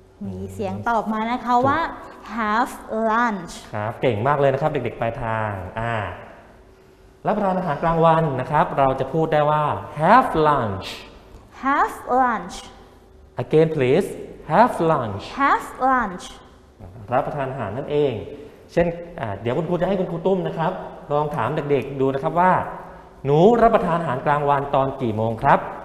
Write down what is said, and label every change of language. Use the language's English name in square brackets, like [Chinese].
[Thai] มีเสียงตอบมานะคะว่า [English] have lunch [Thai] ครับเก่งมากเลยนะครับเด็กๆปลายทางรับประทานอาหารกลางวันนะครับเราจะพูดได้ว่า [English] have lunch have lunch again please have lunch have lunch [Thai] รับประทานอาหารนั่นเองเช่นเดี๋ยวคุณครูจะให้คุณครูตุ้มนะครับลองถามเด็กๆดูนะครับว่าหนูรับประทานอาหารกลางวันตอนกี่โมงครับ